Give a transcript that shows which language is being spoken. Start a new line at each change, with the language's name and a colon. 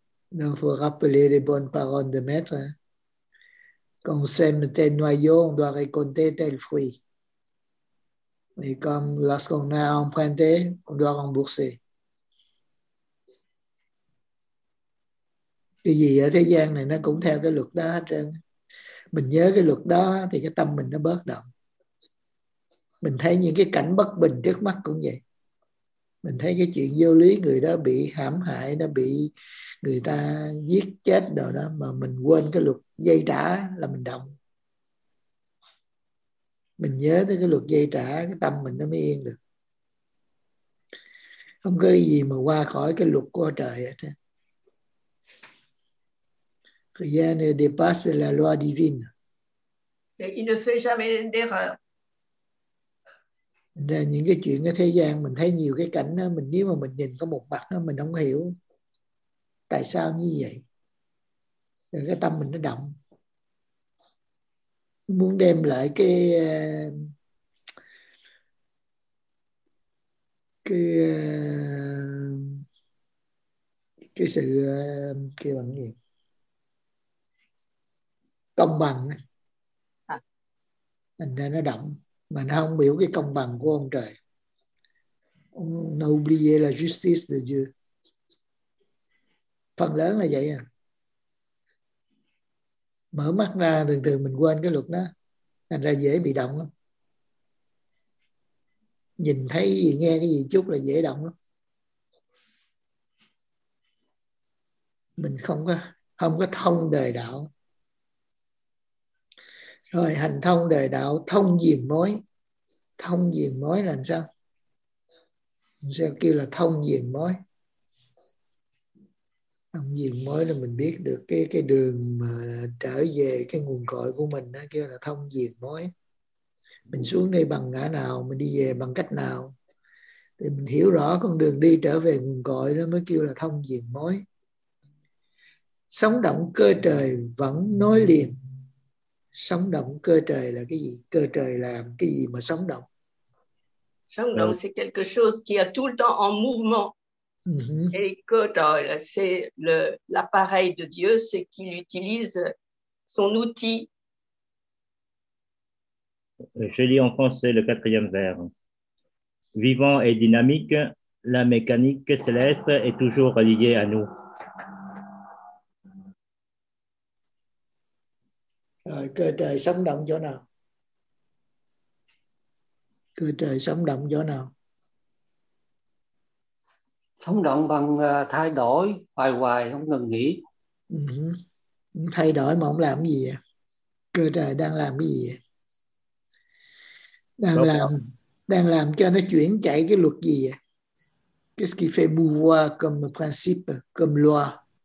French: Il faut rappeler les bonnes paroles de maître. Quand on sème tel noyau, on doit récolter tel fruit. Et comme lorsqu'on a emprunté, on doit rembourser.
Vietnamese: Cái gì ở thế gian này nó cũng theo cái luật đó hết trơn. Mình nhớ cái luật đó thì cái tâm mình nó bớt động. Mình thấy những cái cảnh bất bình trước mắt cũng vậy. Mình thấy cái chuyện vô lý, người đó bị hãm hại, nó bị người ta giết chết rồi đó, mà mình quên cái luật dây trả là mình động. Mình nhớ tới cái luật dây trả, cái tâm mình nó mới yên được. Không có gì mà qua khỏi cái luật của trời hết.
French: Rien ne dépasse la loi divine. Et il ne fait jamais d'erreur.
Vietnamese: Là những cái chuyện ở thế gian, mình thấy nhiều cái cảnh đó, mình nếu mà mình nhìn có một mặt đó, mình không hiểu tại sao như vậy. Rồi cái tâm mình nó động. Muốn đem lại cái sự kêu bằng gì? Công bằng. Thành ra nó động. Mà nó không biểu cái công bằng của ông trời.
French: On a oublié la justice de Dieu.
Vietnamese: Phần lớn là vậy à. Mở mắt ra thường thường mình quên cái luật đó. Thành ra dễ bị động lắm. Nhìn thấy gì, nghe cái gì chút là dễ động lắm. Mình không có thông đời đạo. Rồi hành thông đời đạo, thông diền mối. Thông diền mối là sao? Sao kêu là thông diền mối? Thông diền mối là mình biết được cái đường mà trở về cái nguồn cội của mình đó, kêu là thông diền mối. Mình xuống đây bằng ngã nào, mình đi về bằng cách nào, thì mình hiểu rõ con đường đi trở về nguồn cội đó mới kêu là thông diền mối. Sống động cơ trời vẫn nối liền. Sống động cơ trời là cái gì? Cơ trời là cái gì mà sống động? Sống động
French: c'est quelque chose qui est tout le temps en mouvement. Mm-hmm. Et
Vietnamese: cơ trời là
French: c'est le l'appareil de Dieu, c'est qu'il utilise son outil. Je lis en français le quatrième vers. Vivant et dynamique, la mécanique céleste est toujours liée à nous.
Vietnamese: Rồi, cơ trời sống động chỗ nào? Cơ trời sống động chỗ nào? Sống động bằng thay đổi, hoài hoài, không ngừng nghỉ. Ừ. Thay đổi mà không làm cái gì vậy? Cơ trời đang làm cái gì vậy? Đang làm cho nó chuyển chạy cái luật gì vậy?
French: Qu'est-ce qui fait mouvoir comme principe, comme loi?